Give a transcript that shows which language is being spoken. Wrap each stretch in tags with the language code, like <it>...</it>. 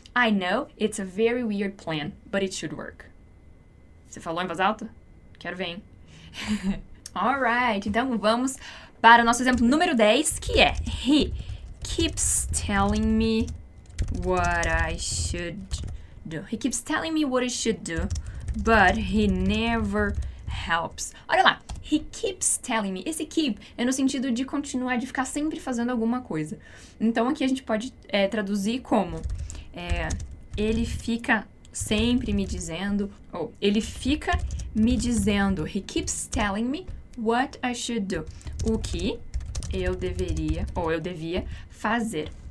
<en>I know it's a very weird plan, but it should work.</en> <pt>Você falou em voz alta? Quero ver, hein? Alright, então vamos para o nosso exemplo número 10, que é...</pt> <en>He keeps telling me what I should do. He keeps telling me what I should do, but he never helps.</en> <pt>Olha lá.</pt> <en>He keeps telling me.</en> <pt>Esse keep é no sentido de continuar, de ficar sempre fazendo alguma coisa. Então, aqui a gente pode traduzir como... ele fica sempre me dizendo... Ou, ele fica me dizendo...</pt> <en>He keeps telling me what I should do.</en> <pt>O que eu deveria ou eu devia fazer.</pt>